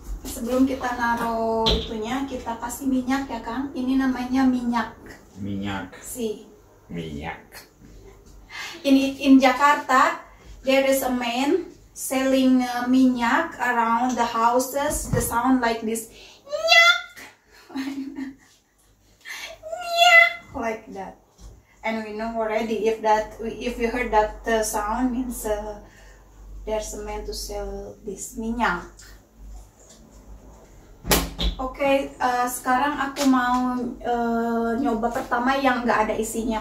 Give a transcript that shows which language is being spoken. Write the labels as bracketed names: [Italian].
[Indonesian] Sebelum kita naro itunya, kita kasih minyak ya, Kang. Ini namanya minyak. Minyak. Si. Minyak. [English] In Jakarta, there is a man selling minyak around the houses. The sound like this. Nyak. Nyak. Like that. And we know already if you heard that sound means there's a man to sell this minyak. [Indonesian] Okay, sekarang aku mau nyoba pertama yang nggak ada isinya.